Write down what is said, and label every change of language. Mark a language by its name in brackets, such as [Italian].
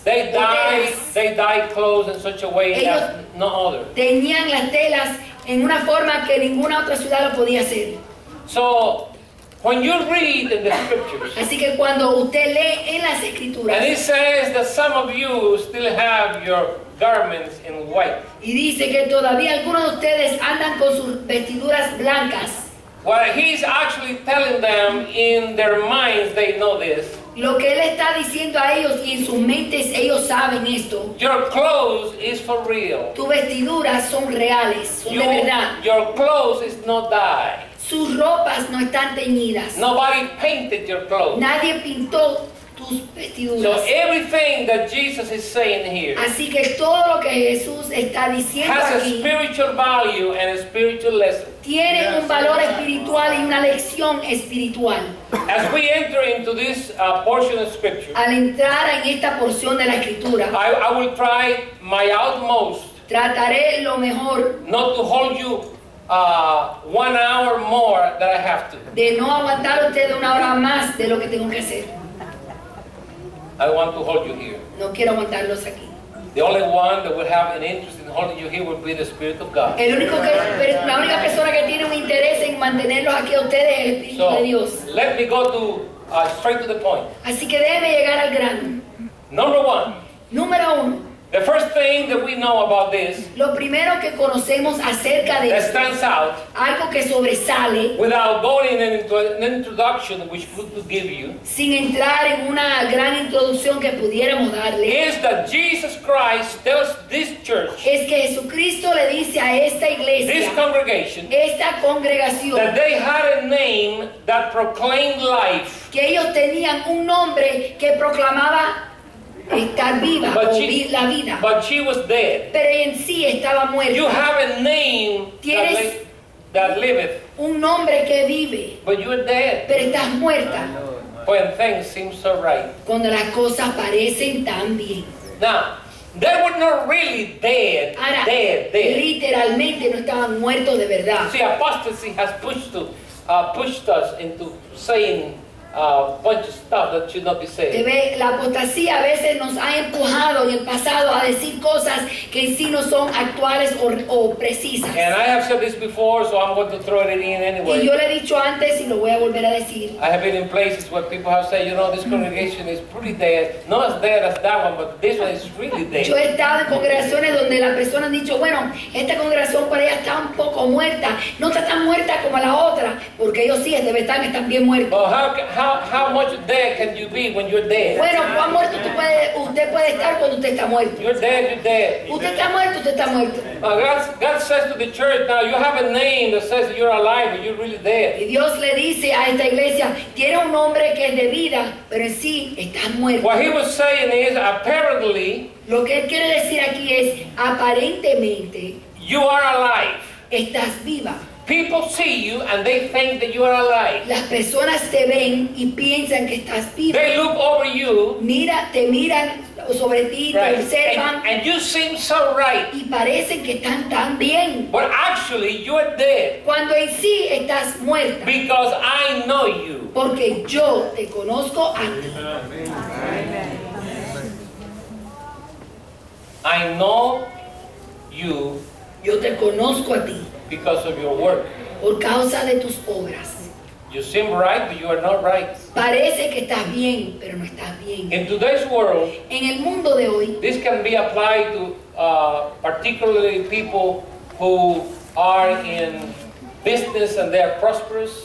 [English] They dyed clothes in such a way that no other. [Spanish] Teñían las telas en una forma que ninguna otra ciudad lo podía hacer. [English] So, when you read in the scriptures, [Spanish] así que cuando usted lee en las escrituras, [English] and it says that some of you still have your garments in white, [Spanish] y dice que todavía algunos de ustedes andan con sus vestiduras blancas, [English] what he's actually telling them in their minds, they know this, [Spanish] lo que él está diciendo a ellos y en sus mentes ellos saben esto. [English] Your clothes is for real. [Spanish] Tus vestiduras son reales, son de verdad. [English] Your clothes is not dyed. [Spanish] Sus ropas no están teñidas. [English] Nobody painted your clothes. [Spanish] Nadie pintó tus vestiduras. [English] So everything that Jesus is saying here, [Spanish] así que todo lo que Jesús está diciendo [English] has [Spanish] aquí, [English] a spiritual value and a spiritual lesson. [Spanish] Tiene un valor espiritual y una lección espiritual. [English] As we enter into this portion of scripture, [Spanish] al entrar en esta porción de la escritura, [English] I will try my utmost, [Spanish] trataré lo mejor, [English] not to hold you 1 hour more than I have to. [Spanish] De no aguantar usted una hora más de lo que tengo que hacer. [English] I want to hold you here. [Spanish] No quiero aguantarlos aquí. [English] The only one that will have an interest in holding you here will be the Spirit of God. [Spanish] El único que, la única persona que tiene un interés en mantenerlos aquí a ustedes es el Espíritu [English] so, [Spanish] de Dios. [English] Let me go to straight to the point. [Spanish] Así que déjeme llegar al grano. [English] Number one. [Spanish] Número uno. [English] The first thing that we know about this, [Spanish] lo primero que conocemos acerca de [English] that stands out, [Spanish] algo que sobresale, [English] without going into an introduction which we could give you, [Spanish] sin entrar en una gran introducción que pudiéramos darle, [English] is that Jesus Christ tells this church, [Spanish] es que Jesucristo le dice a esta iglesia, [English] this congregation, [Spanish] esta congregación, [English] that they had a name that proclaimed life, [Spanish] que ellos tenían un nombre que proclamaba estar viva, [English] but she, [Spanish] la vida. [English] But she was dead. [Spanish] Pero en sí estaba muerta. [English] You have a name [Spanish] tienes [English] that liveth. [Spanish] Un nombre que vive. [English] But you are dead. [Spanish] Pero estás muerta. [English] When things seem so right. [Spanish] Cuando las cosas parecen tan bien. [English] Now, they were not really dead. [Spanish] Ahora, [English] dead. [Spanish] Literalmente no estaban muertos de verdad. [English] See, apostasy has pushed us into saying a bunch of stuff that should not be said. [Spanish] La apostasía a veces nos ha empujado en el pasado a decir cosas que en sí no son actuales o precisas. [English] And I have said this before, so I'm going to throw it in anyway. [Spanish] Y yo le he dicho antes y lo voy a volver a decir. [English] I have been in places where people have said, you know, this congregation is pretty dead. Not as dead as that one, but this one is really dead. [Spanish] Yo he estado en congregaciones donde las personas han dicho, bueno, esta congregación para ella está un poco muerta. No está tan muerta como la otra, porque ellos sí, debe estar que están bien muertos. [English] How much dead can you be when you're dead? [Spanish] Bueno, ¿cuán muerto usted puede estar cuando usted está muerto? [English] You're dead, you're dead. [Spanish] Usted está muerto, usted está muerto. [English] God says to the church, now you have a name that says you're alive, but you're really dead. [Spanish] Y Dios le dice a esta iglesia, tiene un nombre que es de vida, pero en sí está muerto. [English] What he was saying is, apparently, [Spanish] lo que él quiere decir aquí es, aparentemente, [English] you are alive. [Spanish] Estás viva. [English] People see you and they think that you are alive. [Spanish] Las personas te ven y piensan que estás vivo. [English] They look over you. [Spanish] Mira, te miran sobre ti, [English] right. [Spanish] Te observan. [English] And you seem so right. [Spanish] Y parecen que están tan bien. [English] But actually, you are dead. [Spanish] Cuando en sí estás muerta. [English] Because I know you. [Spanish] Porque yo te conozco a ti. [English] I know you. [Spanish] Yo te conozco a ti. [English] Because of your work. [Spanish] Por causa de tus obras. [English] You seem right, but you are not right. [Spanish] Parece que estás bien, pero no estás bien. [English] In today's world, [Spanish] en el mundo de hoy, [English] this can be applied to particularly people who are in business and they are prosperous.